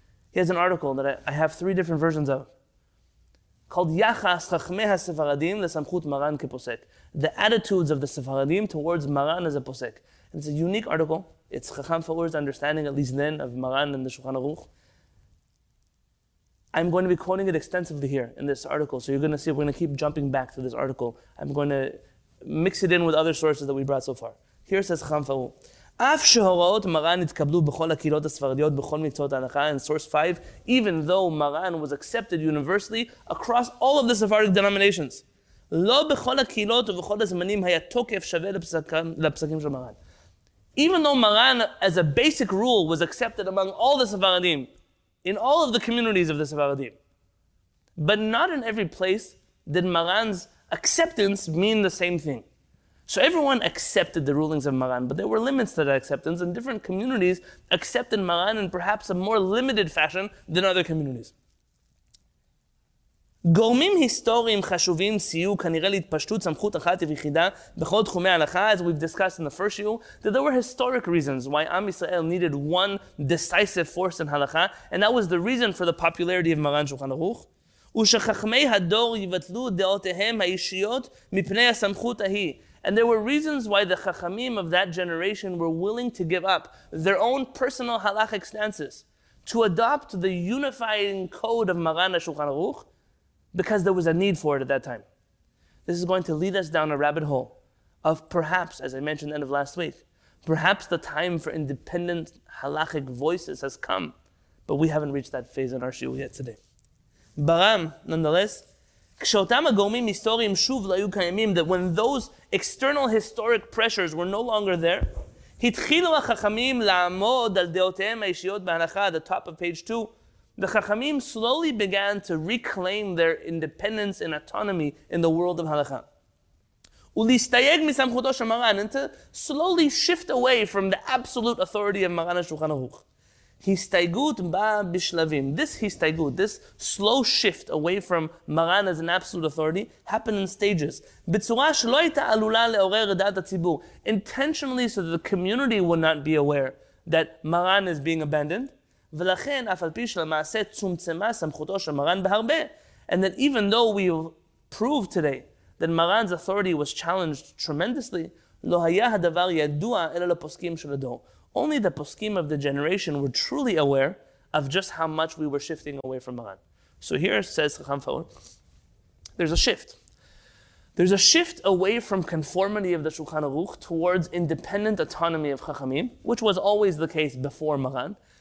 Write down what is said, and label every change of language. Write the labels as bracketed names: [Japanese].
[English] He has an article that I have three different versions of, called Yachas Chachmei HaSefaradim LeSamchut Maran KePosek, the attitudes of the Sefaradim towards Maran as a Posek. And it's a unique article. It's Chacham Fawr's understanding, at least then, of Maran and the Shulchan Aruch. I'm going to be quoting it extensively here in this article, so you're going to see, we're going to keep jumping back to this article. I'm going to mix it in with other sources that we brought so far. [Hebrew] Here says Chacham Fawr, אף שהוראות מרן התקבלו בכל הקהילות הספרדיות בכל מקצועות ההלכה, [English] in source 5, even though מרן was accepted universally across all of the Sephardic denominations, [Hebrew] לא בכל הקהילות ובכל הזמנים היה תוקף שווה לפסקים של מרן. [English] Even though מרן, as a basic rule, was accepted among all the Sephardim, in all of the communities of the Sephardim, but not in every place did מרן's acceptance mean the same thing. So everyone accepted the rulings of Maran, but there were limits to that acceptance, and different communities accepted Maran in perhaps a more limited fashion than other communities. [Hebrew] גורמים היסטוריים חשובים סייעו כנראה להתפשטות סמכות אחת ויחידה בכל תחומי ההלכה, [English] as we've discussed in the first year, that there were historic reasons why Am Yisrael needed one decisive force in halakha, and that was the reason for the popularity of Maran Shulchan Aruch. [Hebrew] ושחכמי הדור יבטלו דעותיהם האישיות מפני הסמכות ההיא. [English] And there were reasons why the Chachamim of that generation were willing to give up their own personal halachic stances to adopt the unifying code of Maran HaShulchan Aruch because there was a need for it at that time. This is going to lead us down a rabbit hole of perhaps, as I mentioned end of last week, perhaps the time for independent halachic voices has come, but we haven't reached that phase in our shiur yet today. Baram, nonetheless, [Hebrew] כשאותם הגורמים היסטוריים שוב לא היו קיימים, [English] that when those external historic pressures were no longer there, [Hebrew] התחילו החכמים לעמוד על דעותיהם האישיות בהלכה, [English] at the top of page 2, the חכמים slowly began to reclaim their independence and autonomy in the world of הלכה. [Hebrew] ולהסתייג מסמכותו של מרן, [English] and to slowly shift away from the absolute authority of מרן השולחן ערוך. [Hebrew] הסתייגות באה בשלבים. [English] This הסתייגות, this slow shift away from Maran as an absolute authority, happened in stages. [Hebrew] בצורה שלא הייתה עלולה לעורר דעת הציבור. [English] Intentionally so that the community would not be aware that Maran is being abandoned. [Hebrew] ולכן אף על פי שלמעשה צומצמה סמכותו של Maran בהרבה. [English] And that even though we proved today that Maran's authority was challenged tremendously, [Hebrew] לא היה הדבר ידוע אלא לפוסקים של הדור. [English] Only the poskim of the generation were truly aware of just how much we were shifting away from Maran. So here says Chacham Fawr, there's a shift. There's a shift away from conformity of the Shulchan Aruch towards independent autonomy of Chachamim, which was always the case before Maran.